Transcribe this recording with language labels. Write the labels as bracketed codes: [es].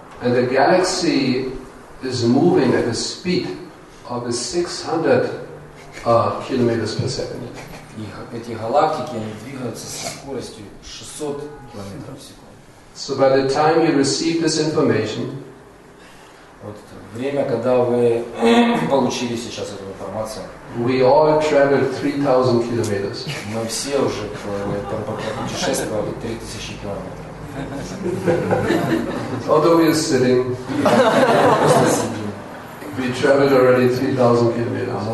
[en] And the galaxy is moving at a speed of 600 kilometers per second. [ru] И эти галактики, они двигаются со скоростью 600 километров в секунду. [en] So by the time you receive this information, [ru] вот время, когда вы получили сейчас эту информацию, [en] we all traveled 3,000 kilometers. [ru] Мы все уже путешествовали 3,000 километров. [en] Although we are sitting, we traveled already 3,000 kilometers.